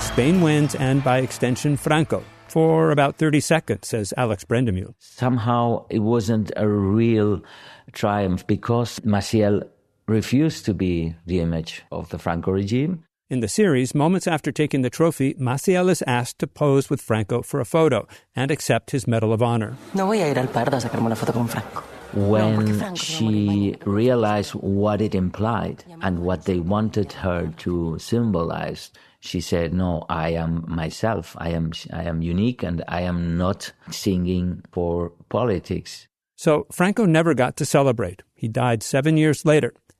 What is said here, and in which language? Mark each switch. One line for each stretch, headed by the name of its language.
English: Spain wins, and by extension, Franco. For about 30 seconds, says Alex Brendemühl. Somehow it wasn't a real triumph because Maciel refused to be the image of the Franco regime. In the series, moments after taking the trophy, Maciel is asked to pose with Franco for a photo and accept his Medal of Honor.
Spanish: No voy a ir al Pardo a sacarme una foto con Franco.
English: When she realized what it implied and what they wanted her to symbolize, she said, no, I am myself. I am unique and I am not singing for politics. So Franco never got to celebrate. He died 7 years later.